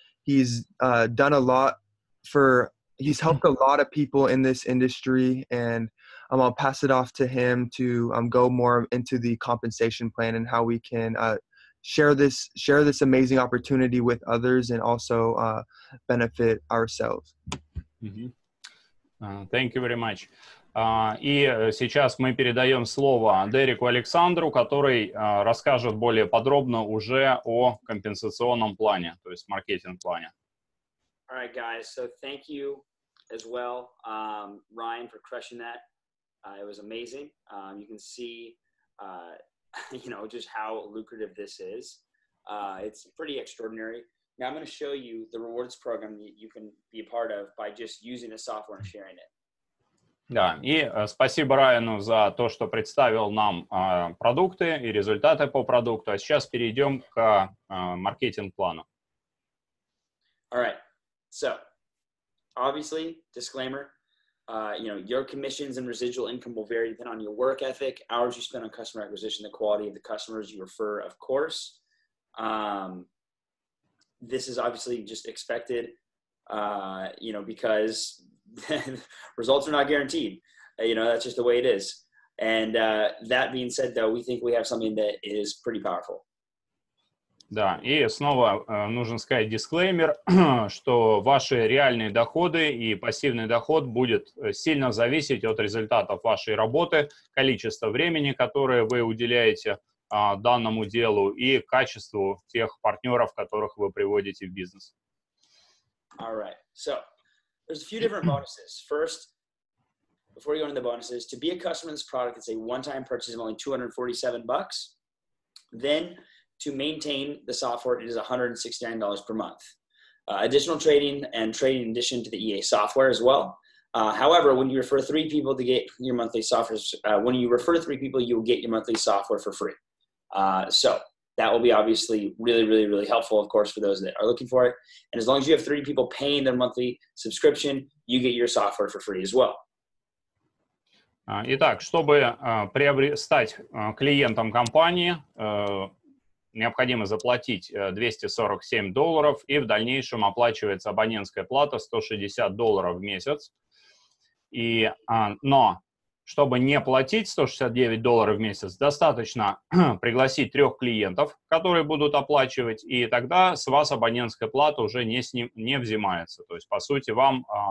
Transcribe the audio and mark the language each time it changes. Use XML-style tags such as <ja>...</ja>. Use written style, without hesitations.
<en>He's done a lot he's helped a lot of people in this industry, and I'll pass it off to him to go more into the compensation plan and how we can share this amazing opportunity with others and also benefit ourselves. Mm-hmm. Thank you very much.</en> <ru>И сейчас мы передаем слово Дереку Александру, который расскажет более подробно уже о компенсационном плане, то есть маркетинг-плане.</ru> <en>All right, guys. So thank you as well, Ryan, for crushing that. It was amazing. You can see, you know, just how lucrative this is. It's pretty extraordinary. Now I'm going to show you the rewards program that you can be a part of by just using the software and sharing it.</en> <ru>Да, и спасибо Райану за то, что представил нам продукты и результаты по продукту. А сейчас перейдем к маркетинг-плану.</ru> <en>All right. So, obviously, disclaimer, you know, your commissions and residual income will vary depending on your work ethic, hours you spend on customer acquisition, the quality of the customers you refer, of course. This is obviously just expected, you know, because results are not guaranteed. You know, that's just the way it is. And that being said, though, we think we have something that is pretty powerful.</en> <ru>Да, и снова нужно сказать дисклеймер, что ваши реальные доходы и пассивный доход будет сильно зависеть от результатов вашей работы, количества времени, которое вы уделяете данному делу, и качеству тех партнеров, которых вы приводите в бизнес.</ru> <en>All right. So, there's a few different bonuses. First, before you go into the bonuses, to be a customer of this product, it's a one-time purchase of only $247. Then, to maintain the software, it is $169 per month. Additional trading and trading in addition to the EA software as well. However, when you refer three people to get your monthly software, when you refer three people, you will get your monthly software for free. So that will be obviously really, really, really helpful, of course, for those that are looking for it. And as long as you have 30 people paying their monthly subscription, you get your software for free as well.</en> <ru>Итак, чтобы стать клиентом компании, необходимо заплатить $247, и в дальнейшем оплачивается абонентская плата $160 в месяц. Но чтобы не платить $169 в месяц, достаточно пригласить трех клиентов, которые будут оплачивать, и тогда с вас абонентская плата уже не взимается. То есть, по сути, вам</ru>